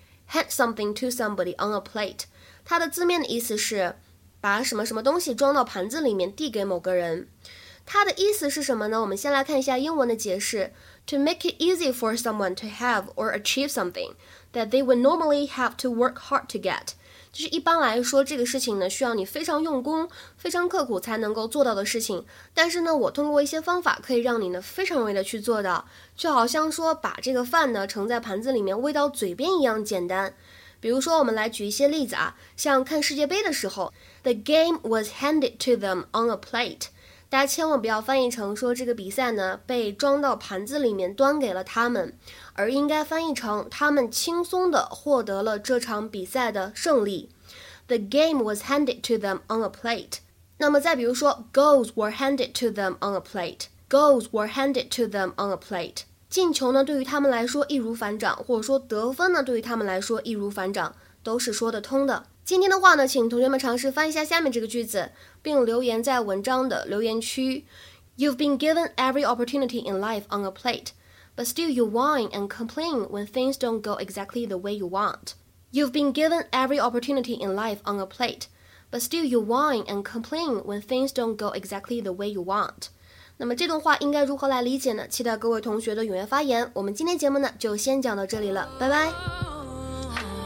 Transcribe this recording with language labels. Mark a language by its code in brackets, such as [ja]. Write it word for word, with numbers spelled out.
[en] hand something to somebody on a plate， [zh] 它的字面的意思是把什么什么东西装到盘子里面递给某个人。它的意思是什么呢？我们先来看一下英文的解释 ： [en] To make it easy for someone to have or achieve something that they would normally have to work hard to get。 [zh] 就是一般来说这个事情呢需要你非常用功非常刻苦才能够做到的事情，但是呢我通过一些方法可以让你呢非常容易的去做到，就好像说把这个饭呢盛在盘子里面喂到嘴边一样简单。比如说我们来举一些例子啊，像看世界杯的时候 [en] The game was handed to them on a plate， [zh] 大家千万不要翻译成说这个比赛呢被装到盘子里面端给了他们，而应该翻译成他们轻松地获得了这场比赛的胜利。 [en] The game was handed to them on a plate。 [zh] 那么再比如说 [en] Goals were handed to them on a plate， Goals were handed to them on a plate。 [zh] 进球呢对于他们来说易如反掌，或者说得分呢对于他们来说易如反掌，都是说得通的。今天的话呢，请同学们尝试翻一下下面这个句子，并留言在文章的留言区。 [en] You've been given every opportunity in life on a plate but still you whine and complain when things don't go exactly the way you want. You've been given every opportunity in life on a plate, but still you whine and complain when things don't go exactly the way you want. [zh] 那么这段话应该如何来理解呢？期待各位同学的踊跃发言。我们今天节目呢，就先讲到这里了，拜拜。